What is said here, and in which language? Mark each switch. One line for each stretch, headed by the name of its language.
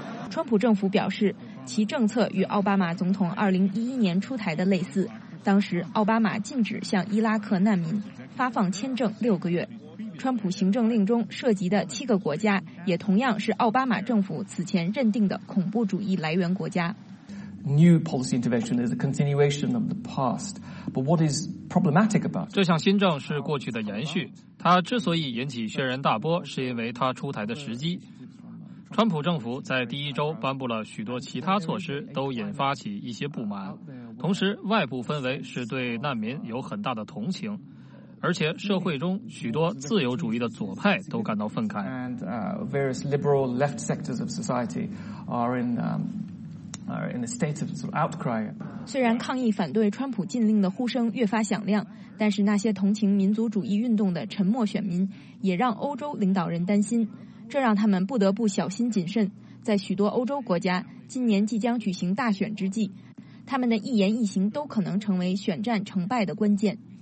Chinese: 川普政府表示，其政策与奥巴马总统2011年出台的类似，当时奥巴马禁止向伊拉克难民发放签证六个月。川普行政令中涉及的七个国家也同样是奥巴马政府此前认定的恐怖主义来源国家。
English: New policy intervention is a continuation of the past. But what is problematic about it?
Chinese: 这项新政是过去的延续，它之所以引起轩然大波，是因为它出台的时机。川普政府在第一周颁布了许多其他措施，都引发起一些不满。同时，外部氛围是对难民有很大的同情，而且社会中许多自由主义的左派都感到愤慨。
English: And various liberal left sectors of society are in in a state of outcry.
Chinese: 虽然抗议反对川普禁令的呼声越发响亮，但是那些同情民族主义运动的沉默选民也让欧洲领导人担心，这让他们不得不小心谨慎。在许多欧洲国家今年即将举行大选之际，他们的一言一行都可能成为选战成败的关键。